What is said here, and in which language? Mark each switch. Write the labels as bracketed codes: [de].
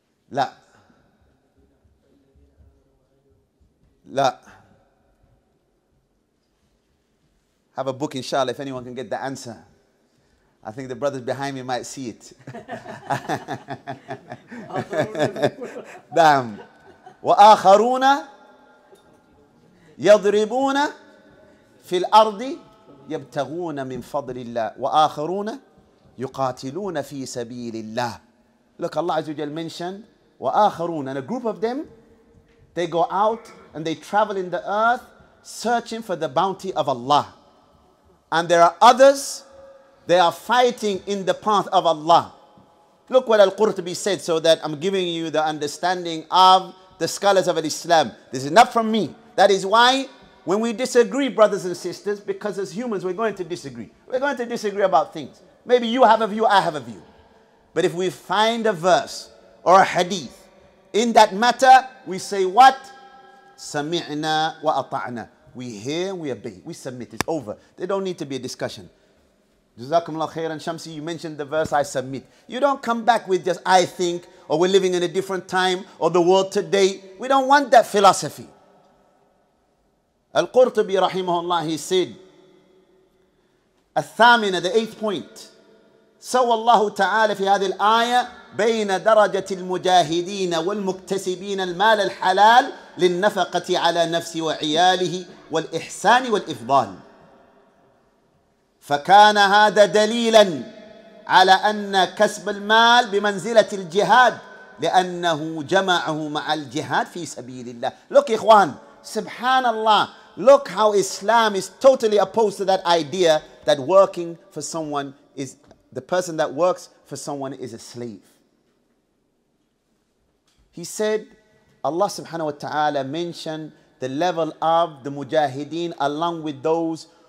[ar] لا. لا. [en] Have a book inshallah if anyone can get the answer. I think the brothers behind me might see it. Damn. [ar] وآخرون يضربون في الأرض يبتغون من فضل الله وآخرون يقاتلون في سبيل الله. [en] Look, Allah Azza wa Jal mentioned [ar] وآخرون, [en] and a group of them, they go out and they travel in the earth searching for the bounty of Allah. And there are others, they are fighting in the path of Allah. Look what Al-Qurtubi said, so that I'm giving you the understanding of the scholars of Islam. This is not from me. That is why when we disagree, brothers and sisters, because as humans we're going to disagree. We're going to disagree about things. Maybe you have a view, I have a view. But if we find a verse or a hadith in that matter, we say what? [ar] سَمِعْنَا وَأَطَعْنَا. [en] We hear, we obey, we submit, it's over. There don't need to be a discussion. [ar] جزاكم الله خيرا شمسي, [en] you mentioned the verse, I submit. You don't come back with just I think, or we're living in a different time, or the world today. We don't want that philosophy. [ar] Al-Qurtubi رحمه الله, [en] he said, [ar] الثامنة, [en] the eighth point, [ar] سوى الله تعالى في هذه الآية بين درجة المجاهدين والمكتسبين المال الحلال للنفقة على نفسه وعياله والإحسان والإفضال فكان هذا دليلا على أن كسب المال بمنزلة الجهاد لأنه جمعه مع الجهاد في سبيل الله. [en] Look, إخوان, سبحان الله, look how Islam is totally opposed to that idea that working for someone is, the person that works for someone is a slave. He said, Allah subhanahu wa ta'ala mentioned the level of the mujahideen along with those